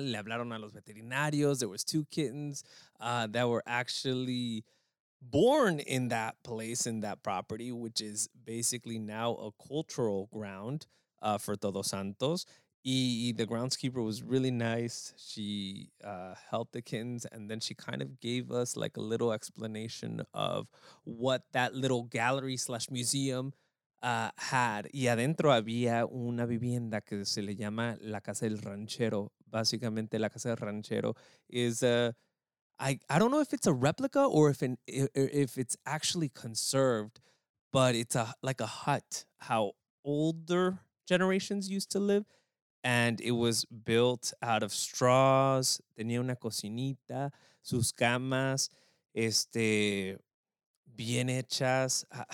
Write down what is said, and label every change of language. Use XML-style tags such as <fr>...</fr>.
<es>Le hablaron a los veterinarios.</es> <en>There was two kittens that were actually born in that place, in that property, which is basically now a cultural ground for Todos Santos. The groundskeeper was really nice. She helped the kittens, and then she kind of gave us like a little explanation of what that little gallery / museum had.</en> <es>Y adentro había una vivienda que se le llama la Casa del Ranchero. Básicamente,</es> <en>la Casa del Ranchero is I don't know if it's a replica or if it's actually conserved, but it's a hut, how older generations used to live. And it was built out of straws.</en> <es>Tenía una cocinita, sus camas, bien hechas.</es>